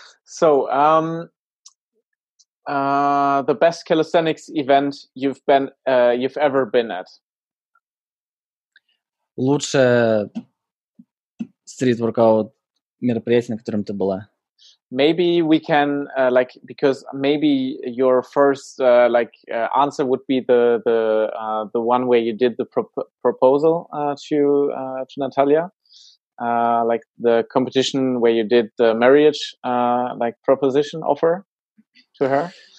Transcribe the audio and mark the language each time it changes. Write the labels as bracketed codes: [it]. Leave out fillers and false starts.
[en] So, the best calisthenics event you've ever been at? [ru] Лучшее стрит-воркаут мероприятие, на котором ты была? [en] Maybe we can like, because maybe your first answer would be the one where you did the proposal to Natalia, like the competition where you did the marriage like proposition offer to her.